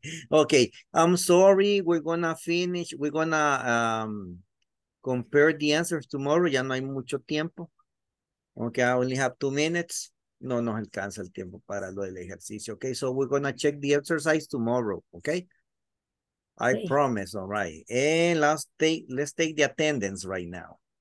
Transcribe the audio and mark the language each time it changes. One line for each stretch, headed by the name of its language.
English: Okay, I'm sorry, we're gonna compare the answers tomorrow.
Spanish: Ya no hay mucho tiempo.
English: Okay, I only have 2 minutes.
Spanish: No nos alcanza el tiempo para lo del ejercicio.
English: Okay, so we're gonna check the exercise tomorrow. Okay, I promise. All right, and let's take the attendance right now.